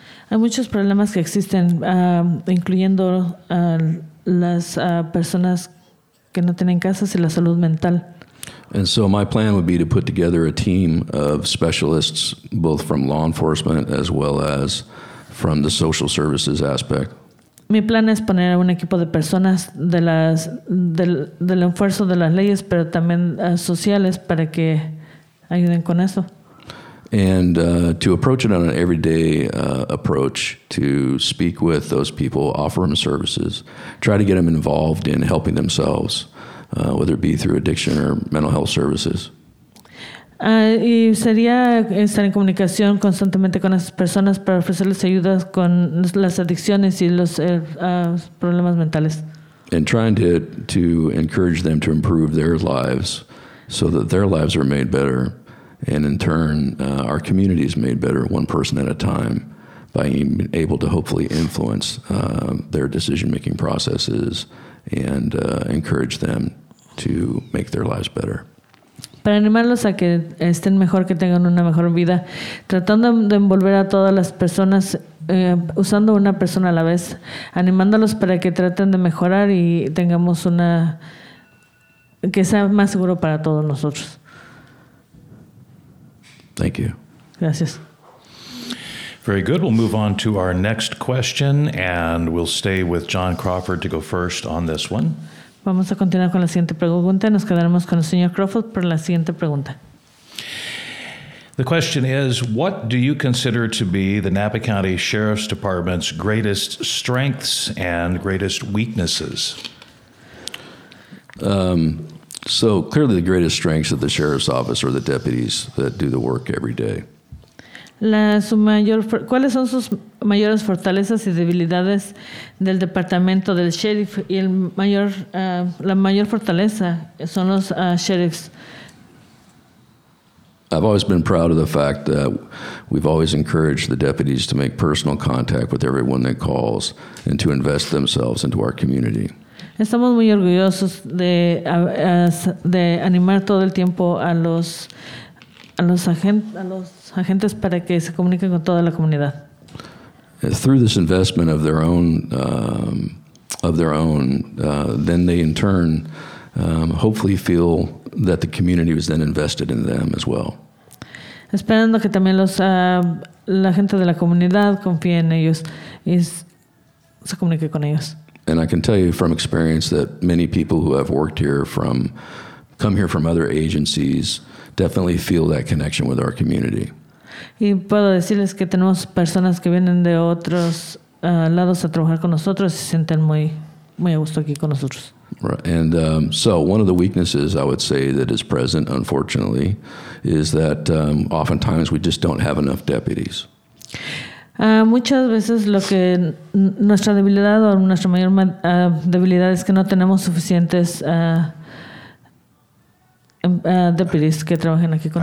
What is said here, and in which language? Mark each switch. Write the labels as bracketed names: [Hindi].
[Spanish] Hay muchos problemas que existen, incluyendo las personas que no tienen casas y la salud mental. [English] And so my plan would be to put together a team of specialists, both from law enforcement as well as from the social services aspect. [Spanish] Mi plan es poner a un equipo de personas de las del esfuerzo de las leyes, pero también sociales para que ayuden con eso. [English] And to approach it on an everyday approach, to speak with those people, offer them services, try to get them involved in helping themselves, whether it be through addiction or mental health services. [Spanish] Y sería estar en comunicación constantemente con esas personas para ofrecerles ayudas con las adicciones y los problemas mentales. [English] And trying to encourage them to improve their lives so that their lives are made better. And in turn, our community is made better one person at a time by being able to hopefully influence their decision-making processes and encourage them to make their lives better. [Spanish] Para animarlos a que estén mejor, que tengan una mejor vida, tratando de envolver a todas las personas, usando una persona a la vez, animándolos para que traten de mejorar y tengamos una que sea más seguro para todos nosotros. [English] Thank you. [Spanish] Gracias. [English] Very good. We'll move on to our next question, and we'll stay with John Crawford to go first on this one. [Spanish] Vamos a continuar con la siguiente pregunta. Nos quedaremos con el señor Crawford por la siguiente pregunta. [English] The question is, what do you consider to be the Napa County Sheriff's Department's greatest strengths and greatest weaknesses? So clearly the greatest strengths of the sheriff's office are the deputies that do the work every day. [Spanish] ¿Cuáles son sus mayores fortalezas y debilidades del departamento del sheriff? Y la mayor fortaleza son los sheriffs. [English] I've always been proud of the fact that we've always encouraged the deputies to make personal contact with everyone that calls and to invest themselves into our community. [Spanish] Estamos muy orgullosos de animar todo el tiempo a los agentes para que se comuniquen con toda la comunidad. [English] Through this investment of their own, then they in turn hopefully feel that the community was then invested in them as well. [Spanish] Esperando que también la gente de la comunidad confíe en ellos y se comunique con ellos. [English] And I can tell you from experience that many people who have worked here from come here from other agencies definitely feel that connection with our community. [Spanish] Y puedo decirles que tenemos personas que vienen de otros lados a trabajar con nosotros y se sienten muy muy a gusto aquí con nosotros. [English] Right. And so one of the weaknesses I would say that is present, unfortunately, is that oftentimes we just don't have enough deputies. [Spanish] Muchas veces nuestra debilidad o nuestra mayor debilidad es que no tenemos suficientes deputies que trabajen aquí con